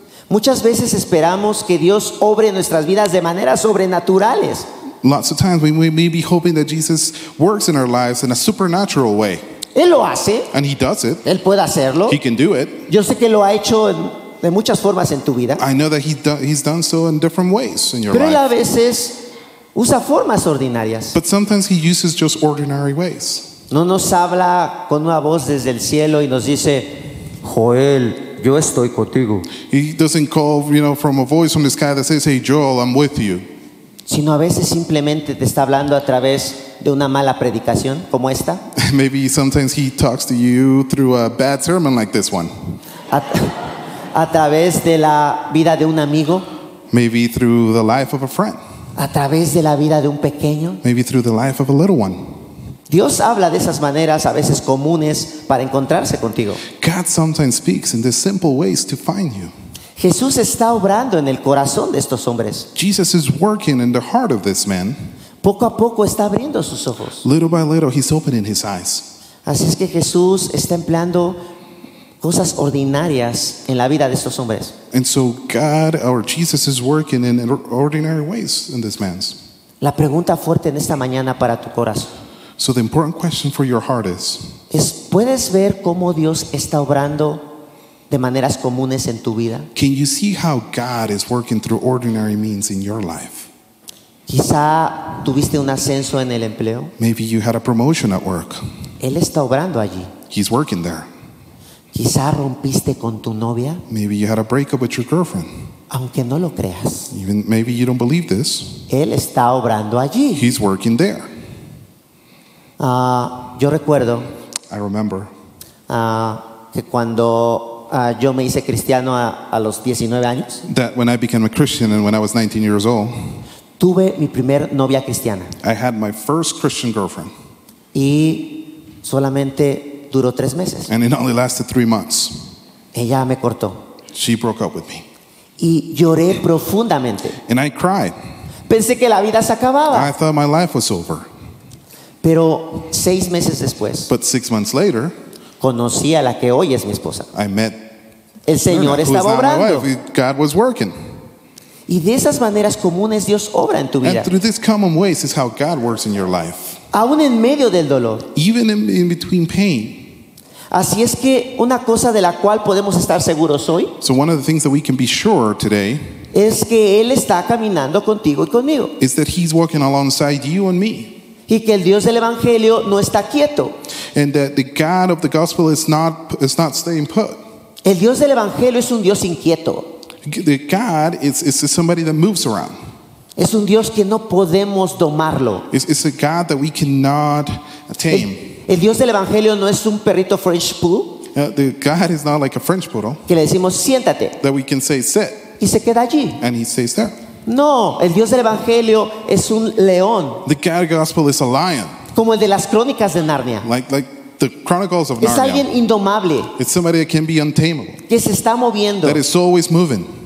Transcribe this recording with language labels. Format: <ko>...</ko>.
<es>Muchas veces esperamos que Dios obre nuestras vidas de maneras sobrenaturales.</es> <en>Lots of times we may be hoping that Jesus works in our lives in a supernatural way.</en> <es>Él lo hace.</es> <en>And he does it.</en> <es>Él puede hacerlo.</es> <en>He can do it.</en> <es>Yo sé que lo ha hecho de muchas formas en tu vida.</es> <en>I know that he's done so in different ways in your</en> <es>Pero</es> <en>life.</en> <es>Pero él a veces usa formas ordinarias.</es> <en>But sometimes he uses just ordinary ways.</en> <es>No nos habla con una voz desde el cielo y nos dice, Joel, yo estoy contigo.</es> <en>He doesn't call, you know, from a voice from the sky that says, "Hey, Joel, I'm with you."</en> <es>Sino a veces simplemente te está hablando a través de una mala predicación como esta.</es> <en>Maybe sometimes he talks to you through a bad sermon like this one.</en> <es>A través de la vida de un amigo.</es> <en>Maybe through the life of a friend.</en> <es>A través de la vida de un pequeño.</es> <en>Maybe through the life of a little one.</en> <es>Dios habla de esas maneras a veces comunes para encontrarse contigo.</es> <en>God sometimes speaks in the simple ways to find you.</en> <es>Jesús está obrando en el corazón de estos hombres.</es> <en>Jesus is working in the heart of this man.</en> <es>Poco a poco está abriendo sus ojos.</es> <en>Little by little, he's opening his eyes.</en> <es>Así es que Jesús está empleando cosas ordinarias en la vida de estos hombres.</es> <en>And so God, or Jesus, is working in ordinary ways in this man's.</en> <es>La pregunta fuerte en esta mañana para tu corazón.</es> <en>So the important question for your heart is,</en> <es>¿puedes ver cómo Dios está obrando de maneras comunes en tu vida?</es> <en>Can you see how God is working through ordinary means in your life?</en> <es>Quizá tuviste un ascenso en el empleo.</es> <en>Maybe you had a promotion at work.</en> <es>Él está obrando allí.</es> <en>He's working there.</en> <es>Quizá rompiste con tu novia.</es> <en>Maybe you had a breakup with your girlfriend.</en> <es>Aunque no lo creas.</es> <en>Even maybe you don't believe this.</en> <es>Él está obrando allí.</es> <en>He's working there.</en> <es>Yo recuerdo.</es> <en>I remember.</en> <es>Que cuando yo me hice cristiano a los 19 años.</es> <en>That when I became a Christian and when I was 19 years old.</en> <es>Tuve mi primer novia cristiana.</es> <en>I had my first Christian girlfriend.</en> <es>Y solamente duró 3 meses.</es> <en>And it only lasted 3 months.</en> <es>Ella me cortó.</es> <en>She broke up with me.</en> <es>Y lloré profundamente.</es> <en>And I cried.</en> <es>Pensé que la vida se acababa.</es> <en>I thought my life was over.</en> <es>Pero 6 meses después.</es> <en>But 6 months later.</en> <es>Conocí a la que hoy es mi esposa.</es> <en>I met.</en> <es>El Señor estaba obrando.</es> <en>God was working.</en> <es>Y de esas maneras comunes Dios obra en tu vida.</es> <en>And through these common ways is how God works in your life.</en> <es>Aún en medio del dolor.</es> <en>Even in between pain.</en> <es>Así es que una cosa de la cual podemos estar seguros hoy.</es> <en>So one of the things that we can be sure today.</en> <es>Es que Él está caminando contigo y conmigo.</es> <en>Is that He's walking alongside you and me.</en> <es>Y que el Dios del Evangelio no está quieto.</es> <en>And that the God of the Gospel is not staying put.</en> <es>El Dios del Evangelio es un Dios inquieto.</es> <en>The God is somebody that moves around.</en> <es>Es un Dios que no podemos domarlo.</es> <en>It's a God that we cannot tame.</en> <es>El Dios del Evangelio no es un perrito French poodle.</es> <en>The God is not like a French poodle.</en> <es>Que le decimos siéntate.</es> <en>That we can say sit.</en> <es>Y se queda allí.</es> <en>And he stays there.</en> <es>No, el Dios del Evangelio es un león.</es> <en>The God of Gospel is a lion.</en> <es>Como el de las Crónicas de Narnia.</es> <en>Like the Chronicles of Narnia.</en> <es>Es alguien indomable.</es> <en>It's somebody that can be untamable.</en> <es>Que se está moviendo.</es> <en>That is always moving.</en>